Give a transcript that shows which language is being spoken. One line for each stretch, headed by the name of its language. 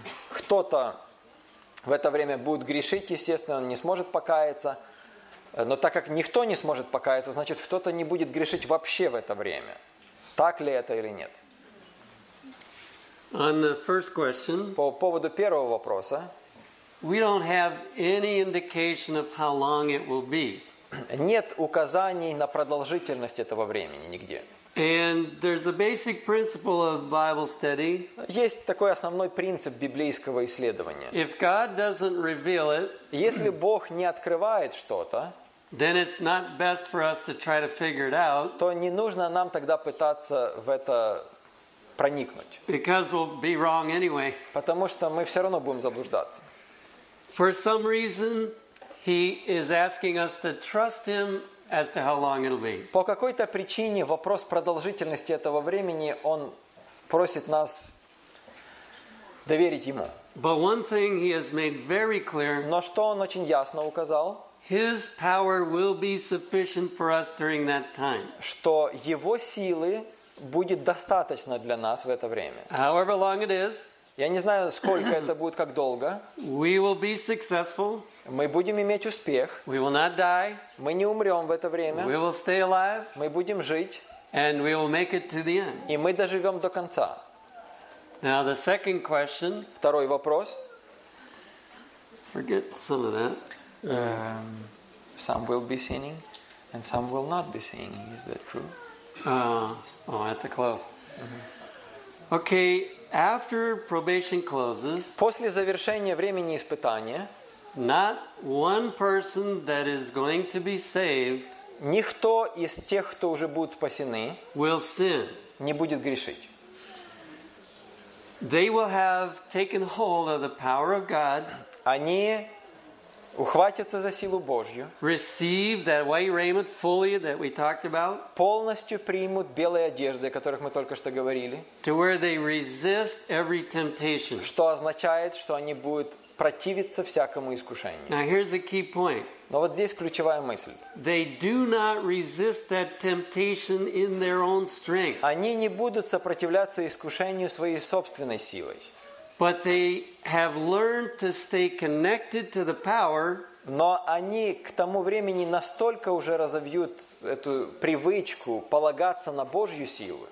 Russian: Кто-то в это время будет грешить, естественно, он не сможет покаяться. Но так как никто не сможет покаяться, значит, кто-то не будет грешить вообще в это время. Так ли это или нет?
English: On the first question,
Russian: по поводу первого вопроса.
English: We don't have any indication of how long it will be.
Russian: Нет указаний на продолжительность этого времени нигде.
English: And there's a basic principle of Bible study.
Russian: Есть такой основной принцип библейского исследования.
English: If God doesn't reveal it,
Russian: если Бог не открывает что-то,
English: then it's not best for us to try to figure it out.
Russian: То не нужно нам тогда пытаться в это проникнуть.
English: Because we'll be wrong anyway.
Russian: Потому что мы все равно будем заблуждаться.
English: For some reason, He is asking us to trust him as to how long it'll be.
Russian: По какой-то причине вопрос продолжительности этого времени он просит нас доверить ему.
English: But one thing he has made very clear.
Russian: Но что он очень ясно указал?
English: His power will be sufficient for us during that time.
Russian: Что его силы будет достаточно для нас в это время.
English: However long it is,
Russian: я не знаю, сколько это будет, как долго.
English: We will be successful.
Russian: Мы будем иметь успех.
English: We will not die.
Russian: Мы не умрем в это время.
English: We will stay alive.
Russian: Мы будем жить.
English: And we will make it to the end.
Russian: И мы доживем до конца.
English: Now the second question.
Russian: Второй вопрос.
English: Forget some of that. Some will be sinning, and some will not be sinning. Is that true? At the close. Okay, after probation closes.
Russian: После завершения времени испытания.
English: Not one person that is going to be saved.
Russian: Никто из тех, кто уже будут спасены,
English: will sin.
Russian: Не будет грешить.
English: They will have taken hold of the power of God.
Russian: Они ухватятся за силу Божью.
English: Receive that white raiment fully that we talked about.
Russian: Полностью примут белые одежды, о которых мы только что говорили.
English: To where they resist every temptation.
Russian: Что означает, что они будут противиться всякому искушению.
English: Now here's a key point.
Russian: Но вот здесь ключевая мысль.
English: They do not resist that temptation in their own strength.
Russian: Они не будут сопротивляться искушению своей собственной силой.
English: But they have learned to stay connected to the power.
Russian: Но они к тому времени настолько уже разовьют эту привычку полагаться на Божью силу.